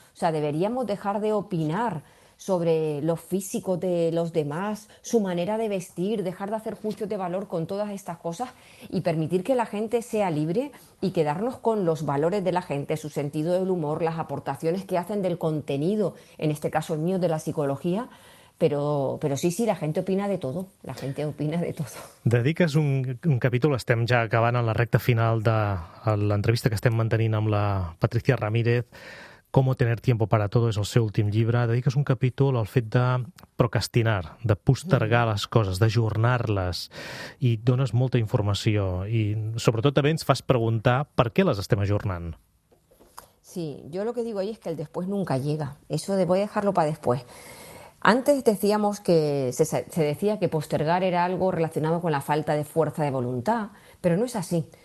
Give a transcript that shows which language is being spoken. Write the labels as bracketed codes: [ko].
[es] O sea, deberíamos dejar de opinar sobre lo físico de los demás, su manera de vestir, dejar de hacer juicios de valor con todas estas cosas y permitir que la gente sea libre y quedarnos con los valores de la gente, su sentido del humor, las aportaciones que hacen del contenido, en este caso el mío, de la psicología. Però sí, sí, la gente opina de todo. La gente opina de todo. [ca] Dediques un capítol, estem ja acabant en la recta final de l'entrevista que estem mantenint amb la Patricia Ramírez, Cómo tener tiempo para todo, és el seu últim llibre. Dediques un capítol al fet de procrastinar, de postergar les coses, d'ajornar-les, i dones molta informació. I sobretot també ens fas preguntar per què les estem ajornant. [es] Sí, yo lo que digo ahí es que el después nunca llega. Eso de voy a dejarlo para después. Antes decíamos que se decía que postergar era algo relacionado con la falta de fuerza de voluntad, pero no es así.